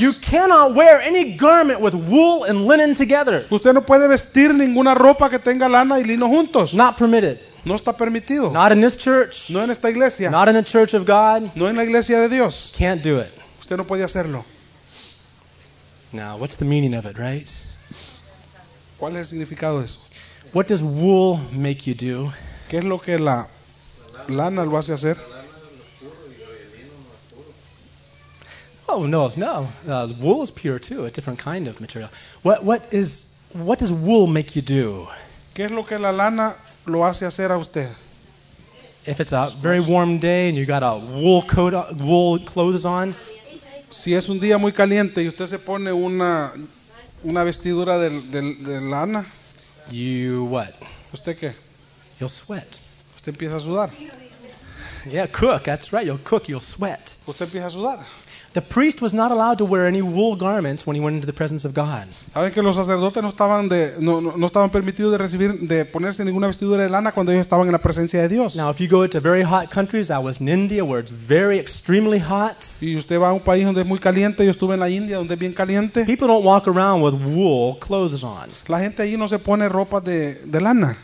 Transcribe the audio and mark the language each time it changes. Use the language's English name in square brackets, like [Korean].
[English] You cannot wear any garment with wool and linen together. [Spanish] Usted no puede vestir ninguna ropa que tenga lana y lino juntos. [English] Not permitted. [Spanish] No está permitido. [English] Not in this church. [Spanish] No en esta iglesia. [English] Not in the church of God. [Spanish] No en la iglesia de Dios. [English] Can't do it. [Spanish] Usted no puede hacerlo. [English] Now, what's the meaning of it, right? [Spanish] ¿Cuál es el significado de eso? [English] What does wool make you do? [Spanish] ¿Qué es lo que la lana lo hace hacer? [English] No. Wool is pure too, a different kind of material. What does wool make you do? [Spanish] ¿Qué es lo que la lana lo hace hacer a usted? [English] If it's a very warm day and you got a wool coat on, wool clothes on. [Spanish] Si es un día muy caliente y usted se pone una vestidura de lana. [English] You what? [Spanish] ¿Usted qué? [English] You'll sweat. [Spanish] Usted empieza a sudar. [English] Yeah, cook. That's right. You'll cook. You'll sweat. [Spanish] Usted empieza a sudar. [English] The priest was not allowed to wear any wool garments when he went into the presence of God. [Spanish] ¿Saben que los sacerdotes no estaban permitidos de ponerse ninguna vestidura de lana cuando ellos estaban en la presencia de Dios? [English] Now, if you go to very hot countries, I was in India where it's very extremely hot. [Spanish] Y usted va a un país donde es muy caliente, yo estuve en la India donde es bien caliente. [English] People don't walk around with wool clothes on. [Spanish] La gente allí no se pone ropa de lana.